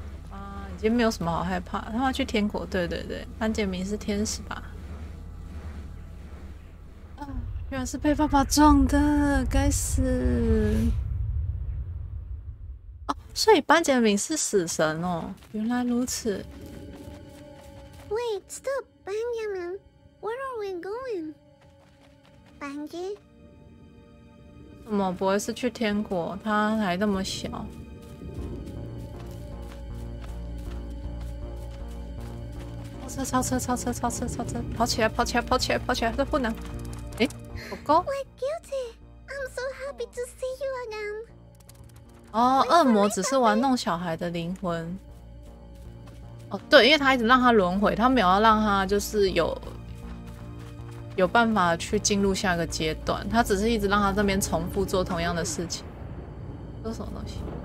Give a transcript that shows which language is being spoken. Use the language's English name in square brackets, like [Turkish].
[Chinese] 啊，已经没有什么好害怕。他要去天国，对对对，安杰明是天使吧？原来是被爸爸撞的，该死！哦，所以班杰明是死神哦，原来如此。 [English] Wait, stop, Benjamin. Where are we going, Benji? [Chinese] 怎么不会是去天国？他还那么小。超车！超车！超车！超车！超车！跑起来！跑起来！跑起来！跑起来！这不能。 [English] My beauty, I'm so happy to see you again. [Chinese] 哦，恶魔只是玩弄小孩的灵魂。哦，对，因为他一直让他轮回，他没有要让他就是有办法去进入下一个阶段，他只是一直让他这边重复做同样的事情。这是什么东西？